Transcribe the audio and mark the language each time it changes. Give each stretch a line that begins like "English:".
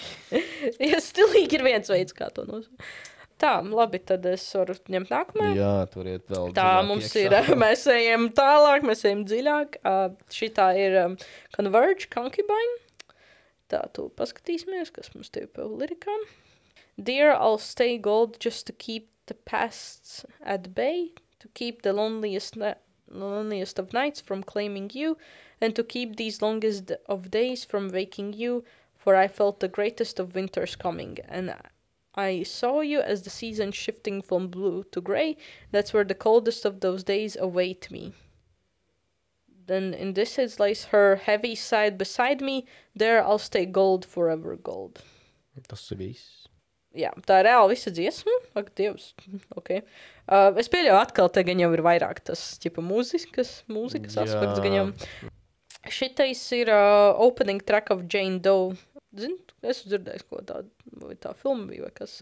Latvian: Jā, stilīgi ir viens veids, kā to nosaukt. Tā, labi, tad es varu ņemt nākamā. Jā, tur iet vēl tā, dziļāk. Tā, mums iekšā. Ir, mēs ejam tālāk, mēs ejam dziļāk. Šitā ir Converge Concubine. Tā, tu paskatīsimies, kas mums tevi pēc lirikām.
English: Dear, I'll stay gold just to keep the pasts at bay, to keep the loneliest of nights from claiming you, and to keep these longest of days from waking you, for I felt the greatest of winters coming, and I saw you as the season shifting from blue to gray, that's where the coldest of those days await me. Then in this is lies her heavy side beside me. There I'll stay gold, forever gold.
Latvian: Tas ir viss. Jā, tā ir reāli visa dziesma. Ak, Dievs, okay. Es pieļauju atkal, te gan jau ir vairāk tas, ķipa, mūzikas aspekts gan jau. Šitais ir
English: opening track of Jane Doe.
Latvian: Zini, esmu dzirdējis, ko tā filma bija vai kas.